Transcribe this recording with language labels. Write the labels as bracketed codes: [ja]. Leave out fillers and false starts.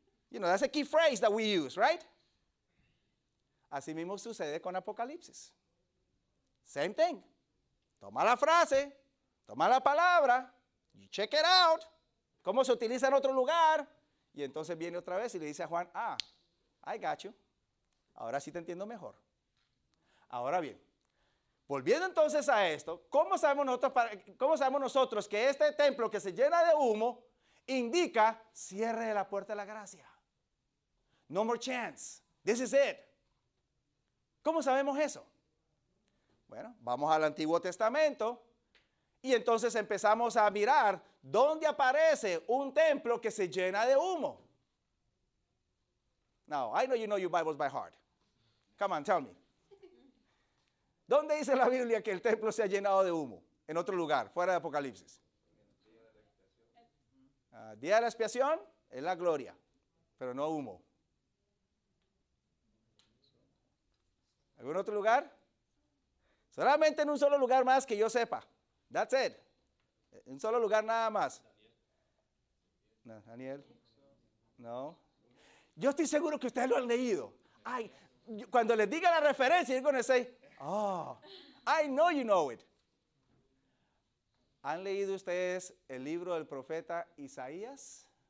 [en] You know, that's a key phrase that we use, right? [es] Así mismo sucede con Apocalipsis. [en] Same thing. [es] Toma la frase, toma la palabra, [en] you check it out, [es] cómo se utiliza en otro lugar, y entonces viene otra vez y le dice a Juan, [en] I got you. [es] Ahora sí te entiendo mejor. Ahora bien, volviendo entonces a esto, ¿cómo sabemos nosotros que este templo que se llena de humo indica cierre de la puerta de la gracia? [en] No more chance. This is it. [es] ¿Cómo sabemos eso? Bueno, vamos al Antiguo Testamento y entonces empezamos a mirar dónde aparece un templo que se llena de humo. [en] Now, I know you know your Bibles by heart. Come on, tell me. [es] ¿Dónde dice la Biblia que el templo se ha llenado de humo? En otro lugar, fuera de Apocalipsis. Día de la expiación es la gloria, pero no humo. ¿Algún otro lugar? Solamente en un solo lugar más que yo sepa. [en] That's it. [es] En un solo lugar nada más. Daniel. No. Yo estoy seguro que ustedes lo han leído. Ay, cuando les diga la referencia, [en] you're going to say, oh, I know you know it. [es] ¿Han leído ustedes el libro del profeta Isaías?